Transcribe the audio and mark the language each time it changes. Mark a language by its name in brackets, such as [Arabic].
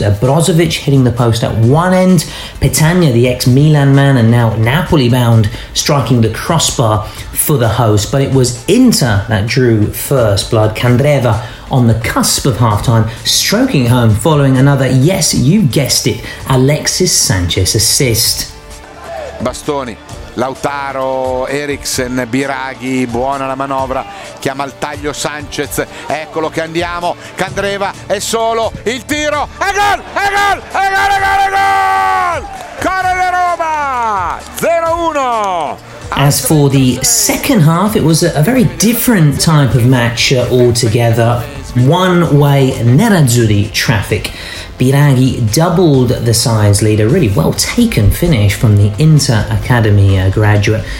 [English] Brozovic hitting the post at one end, Petagna, the ex-Milan man and now Napoli-bound, striking the crossbar for the host. But it was Inter that drew first blood. Candreva on the cusp of halftime, stroking home following another, yes, you guessed it, Alexis Sanchez assist. [Italian] Bastoni, Lautaro, Eriksen, Biraghi, buona la manovra, chiama il taglio Sanchez, eccolo che andiamo, Candreva è solo, il tiro, è gol, è gol, è gol, è gol, è gol! Corre la Roma, 0-1! [English] As for the second half, it was a very different type of match altogether. one-way Nerazzurri traffic. Biraghi doubled the size leader. Really well-taken finish from the Inter Academy graduate.